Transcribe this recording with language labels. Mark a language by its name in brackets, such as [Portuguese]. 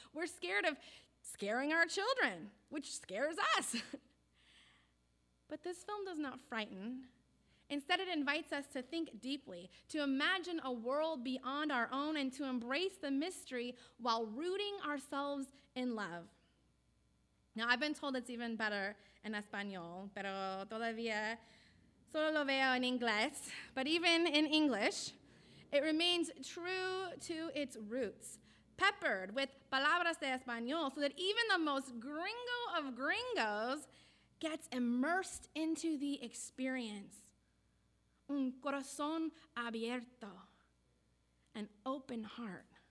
[English] We're scared of scaring our children, which scares us. But this film does not frighten. Instead, it invites us to think deeply, to imagine a world beyond our own, and to embrace the mystery while rooting ourselves in love. Now, I've been told it's even better in Espanol, [Spanish] pero todavía solo lo veo en inglés. [English] But even in English, it remains true to its roots, peppered with [Spanish] palabras de Espanol, [English] so that even the most gringo of gringos gets immersed into the experience. [Spanish] Un corazón abierto, [English] an open heart.